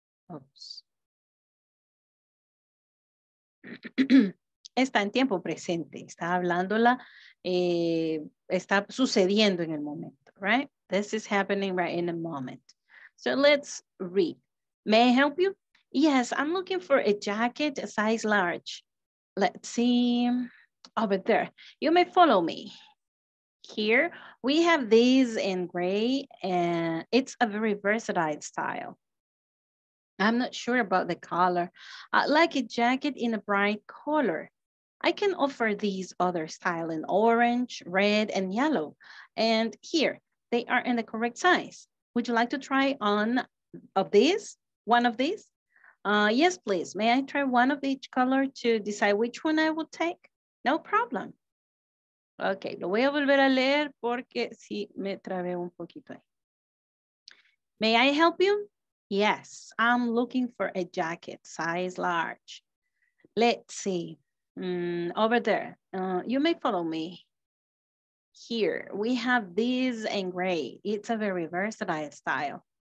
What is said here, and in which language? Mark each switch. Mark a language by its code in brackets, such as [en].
[es] Oops. Está en tiempo presente, está hablándola, está sucediendo en el momento, right? [en] This is happening right in a moment. So let's read. May I help you? Yes, I'm looking for a jacket size large. Let's see, over there. You may follow me. Here, we have these in gray and it's a very versatile style. I'm not sure about the color. I like a jacket in a bright color. I can offer these other style in orange, red, and yellow. And here, they are in the correct size. Would you like to try on of these, one of these? Yes, please. May I try one of each color to decide which one I will take? No problem. [es] Okay, lo voy a volver a leer porque sí me trabé un poquito ahí. [en] May I help you? Yes, I'm looking for a jacket size large. Let's see. Over there. You may follow me. Here, we have this in gray. It's a very versatile style.